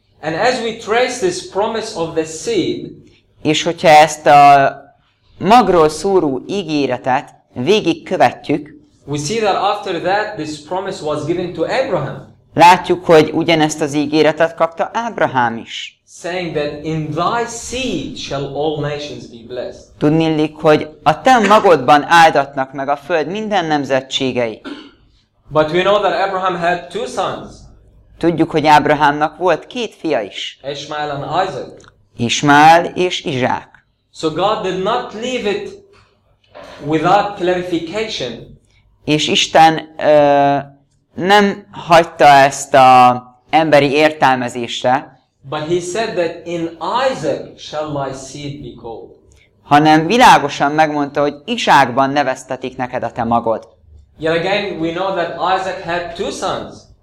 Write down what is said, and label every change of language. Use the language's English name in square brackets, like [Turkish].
[English] And as we trace this promise of the seed, [Hungarian] és hogyha ezt a magról szóró ígéretet végigkövetjük, [English] we see that after that this promise was given to Abraham. [Hungarian] Látjuk, hogy ugyanezt az ígéretet kapta Ábrahám is. [English] Saying that in thy seed shall all nations be blessed. [Hungarian] Tudnillik, hogy a te magodban áldatnak meg a föld minden nemzetségei. [English] But we know that Abraham had two sons. [Hungarian] Tudjuk, hogy Ábrahámnak volt két fia is. [English] Ishmael and Isaac. [Hungarian] Ismael és Izsák. [English] So God did not leave it without clarification. [Hungarian] És Isten nem hagyta ezt a emberi értelmezésre. [English] But he said that in Isaac shall thy seed be called. [Hungarian] Hanem világosan megmondta, hogy Izsákban neveztetik neked a te magod. [English] Yet again we know that Isaac had two sons.